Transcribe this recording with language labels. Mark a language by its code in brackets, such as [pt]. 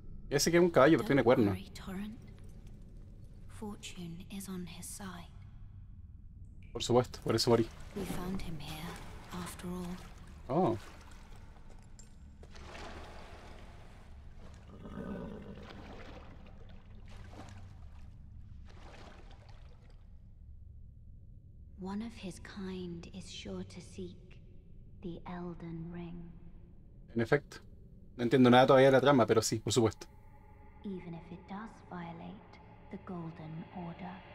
[es] Ese que es un caballo, pero tiene cuerno. [en] Fortune is on his side. [es] Por supuesto, por eso morí. [en] We found him here, after all. Oh. One of his kind is sure to seek the Elden Ring. [es] En efecto. No entiendo nada todavía de la trama, pero sí, por supuesto. [en] Even if it does violate the Golden Order.